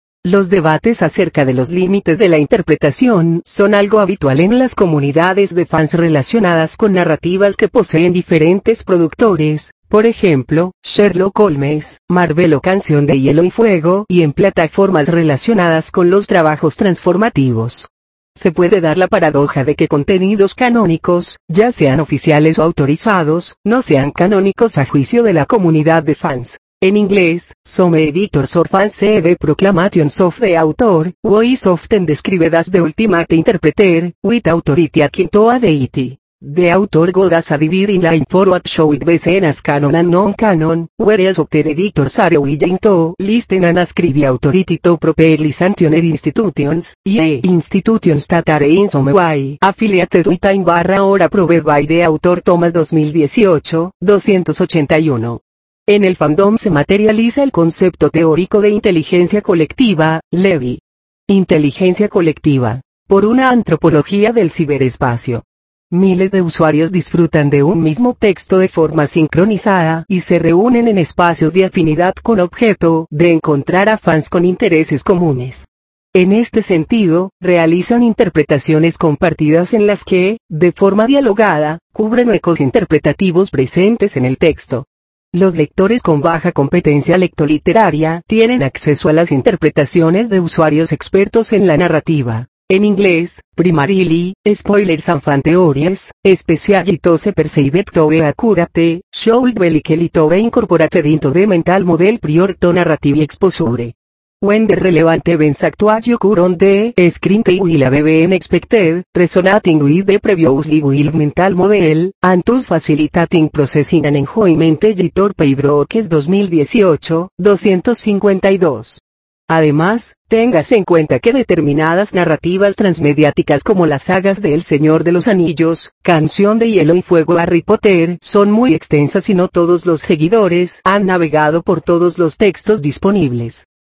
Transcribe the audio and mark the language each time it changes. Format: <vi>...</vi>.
<es>Los debates acerca de los límites de la interpretación son algo habitual en las comunidades de fans relacionadas con narrativas que poseen diferentes productores, por ejemplo, Sherlock Holmes, Marvel o Canción de Hielo y Fuego, y en plataformas relacionadas con los trabajos transformativos. se puede dar la paradoja de que contenidos canónicos, ya sean oficiales o autorizados, no sean canónicos a juicio de la comunidad de fans. En inglés,</es> <en>some editors or fans see the proclamations of the author, who is often described as the ultimate interpreter, with authority akin to a deity. The author God has a dividing line for what should be seen as canon and non-canon, whereas other editors are willing to listen and ascribe authority to properly sanctioned institutions, i.e. institutions that are in some way affiliated with time barra or approved by the author. Thomas 2018, 281.</en> <es>En el fandom se materializa el concepto teórico de inteligencia colectiva, Levy. Inteligencia colectiva. Por una antropología del ciberespacio. Miles de usuarios disfrutan de un mismo texto de forma sincronizada y se reúnen en espacios de afinidad con objeto de encontrar a fans con intereses comunes. En este sentido, realizan interpretaciones compartidas en las que, de forma dialogada, cubren huecos interpretativos presentes en el texto. Los lectores con baja competencia lectoliteraria tienen acceso a las interpretaciones de usuarios expertos en la narrativa. En inglés,</es> <en>primarily, spoilers and fan theories, especially to se perceive to be accurate, should be likely to be incorporated into the mental model prior to narrative exposure. When the relevant events actually occur on the screen they will have been expected, resonating with the previously built mental model, and thus facilitating processing and enjoyment. Editor Paybrookes 2018, 252.</en> <es>Además, téngase en cuenta que determinadas narrativas transmediáticas como las sagas de El Señor de los Anillos, Canción de Hielo y Fuego, Harry Potter, son muy extensas y no todos los seguidores han navegado por todos los textos disponibles.</es>